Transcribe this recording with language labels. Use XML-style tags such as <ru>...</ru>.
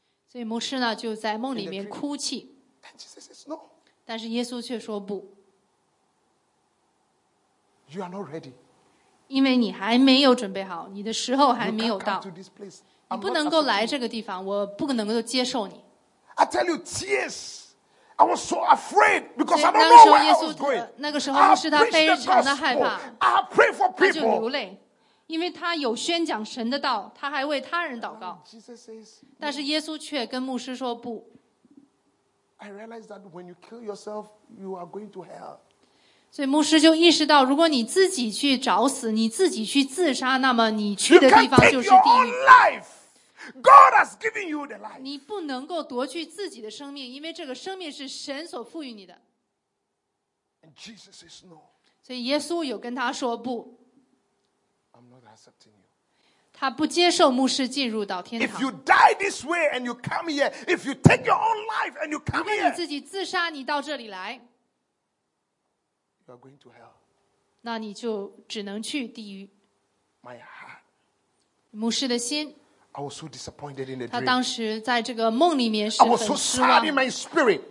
<zh>所以牧师呢就在梦里面哭泣。</zh> <en>And Jesus says, No.</en> <zh>但是耶稣却说不。</zh> <en>You are not ready.</en> <zh>因为你还没有准备好，你的时候还没有到。你不能够来这个地方，我不能够接受你。</zh> <en>I tell you tears. I was so afraid because I don't know where I was going.</en> <zh>那个时候是他非常的害怕。</zh> <en>I have prayed for people.</en> <zh>他就流泪，因为他有宣讲神的道，他还为他人祷告。</zh> <en>Jesus says,</en> <zh>但是耶稣却跟牧师说不。</zh> <en>I realize that when you kill yourself, you are going to hell.</en> <zh>所以牧师就意识到，如果你自己去找死，你自己去自杀，那么你去的地方就是地狱。</zh> <en>God has given you the life.</en> <zh>你不能够夺去自己的生命，因为这个生命是神所赋予你的。</zh> <en>And Jesus says no.</en> <zh>所以耶稣有跟他说不。</zh> <en>I'm not accepting you.</en> <zh>他不接受牧师进入到天堂。</zh> <en>If you die this way and you come here, if you take your own life and you come here,</en> <zh>如果你自己自杀，你到这里来。</zh> <en>You are going to hell.</en> <zh>那你就只能去地狱。</zh> <en>My heart.</en> <zh>牧师的心。</zh> <en>I was so disappointed in the dream.</en> <zh>他当时在这个梦里面是很失望。</zh> <en>I was so sad in my spirit.</en>